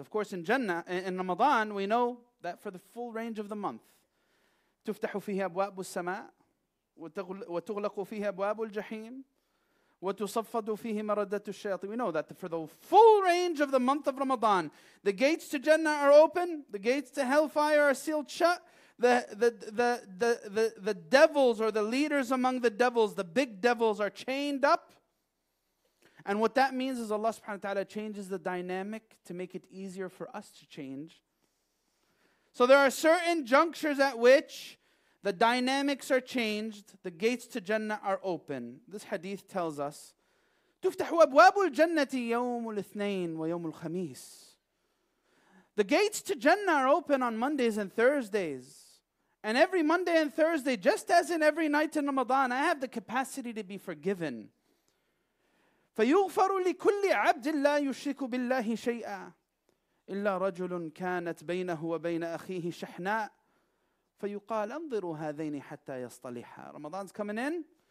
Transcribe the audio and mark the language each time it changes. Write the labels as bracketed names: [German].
[English] Of course, in Jannah, in Ramadan, we know that for the full range of the month, [Arabic] تُفْتَحُ فِيهَا أَبْوَابُ السَّمَاءِ وَتُغْلَقُ فِيهَا أَبْوَابُ الْجَحِيمِ وَتُصَفَّدُ فِيهِ مَرَدَّةُ الشَّيَاطِينِ. [English] We know that for the full range of the month of Ramadan, the gates to Jannah are open, the gates to hellfire are sealed shut, the devils or the leaders among the devils, the big devils are chained up. And what that means is Allah subhanahu wa ta'ala changes the dynamic to make it easier for us to change. So there are certain junctures at which the dynamics are changed, the gates to Jannah are open. This hadith tells us, [Arabic] تُفْتَحُ أَبْوَابُ الْجَنَّةِ يَوْمُ الْإِثْنَيْنِ وَيَوْمُ الْخَمِيسِ. [English] The gates to Jannah are open on Mondays and Thursdays. And every Monday and Thursday, just as in every night in Ramadan, I have the capacity to be forgiven. [Arabic] فَيُغْفَرُ لِكُلِّ عَبْدِ اللَّهِ يُشْرِكُ بِاللَّهِ شَيْئًا إِلَّا رَجُلٌ كَانَتْ بَيْنَهُ وَبَيْنَ أَخِيهِ شَحْنَاءً فَيُقَالَ أَنظِرُوا هَذَيْنِ حَتَّى يَصْطَلِحَا. [English] Ramadan's coming in.